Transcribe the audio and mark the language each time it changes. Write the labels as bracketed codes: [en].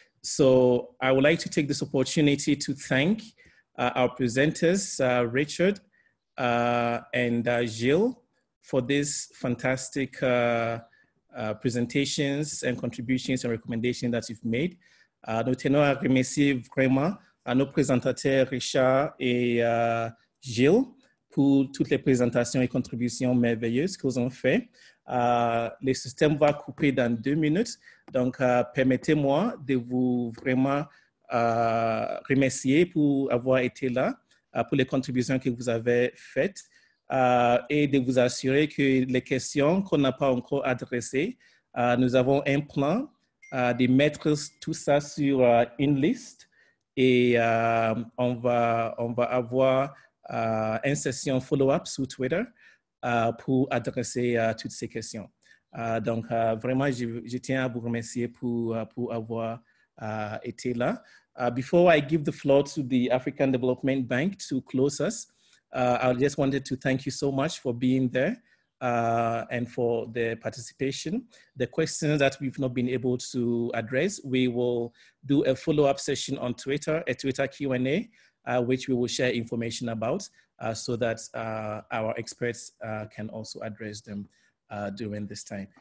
[en] So I would like to take this opportunity to thank our presenters, Richard and Gilles, for this fantastic presentations and contributions and recommendations that you've made. [fr] Nous tenons à remercier vraiment à nos présentateurs Richard et Gilles pour toutes les présentations et contributions merveilleuses qu'ils ont fait. Le système va couper dans 2 minutes, donc permettez-moi de vous vraiment remercier pour avoir été là, pour les contributions que vous avez faites, et de vous assurer que les questions qu'on n'a pas encore adressées, nous avons un plan de mettre tout ça sur une liste on va avoir une session follow-up sur Twitter pour adresser toutes ces questions. Vraiment, je tiens à vous remercier pour avoir été là. [en] Before I give the floor to the African Development Bank to close us, I just wanted to thank you so much for being there and for the participation. The questions that we've not been able to address, we will do a follow-up session on Twitter, a Twitter Q&A, which we will share information about so that our experts can also address them during this time.